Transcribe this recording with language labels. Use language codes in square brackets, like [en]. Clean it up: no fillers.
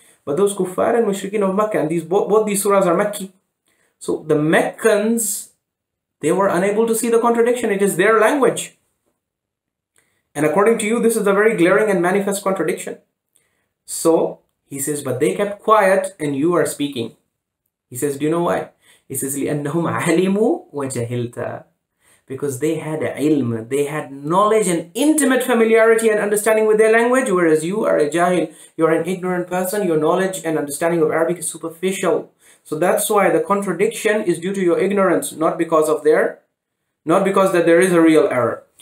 [en] But those kuffar and mushrikeen of Makkah, and both these surahs are Makki. So the Meccans, they were unable to see the contradiction. It is their language. And according to you, this is a very glaring and manifest contradiction. So, he says, but they kept quiet and you are speaking. He says, do you know why? He says, [ar] لِأَنَّهُمْ عَلِمُوا وَجَهِلْتَ. [en] Because they had ilm, they had knowledge and intimate familiarity and understanding with their language, whereas you are a jahil, you're an ignorant person, your knowledge and understanding of Arabic is superficial. So that's why the contradiction is due to your ignorance, not because there is a real error.